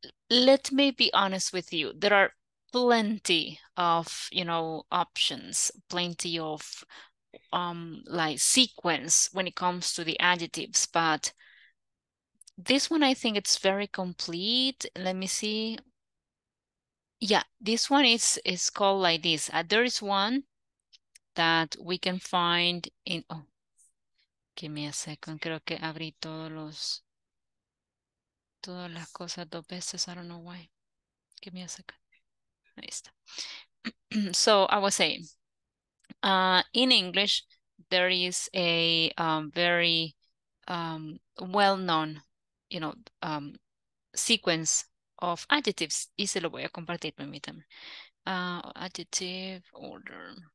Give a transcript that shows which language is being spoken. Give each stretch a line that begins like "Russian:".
English: Let me be honest with you. There are plenty of, you know, options, plenty of like sequence when it comes to the adjectives, but this one, I think it's very complete. Let me see. Yeah, this one is called like this. There is one that we can find in, oh, give me a second.
Spanish: Creo que abrí todas las cosas dos veces.
English: I don't know why. Give me a second.
Spanish: Ahí está.
English: So I was saying, in English, there is a very well-known, you know, sequence of adjectives.
Spanish: Y se lo voy a compartir, permítanme.
English: Adjective order.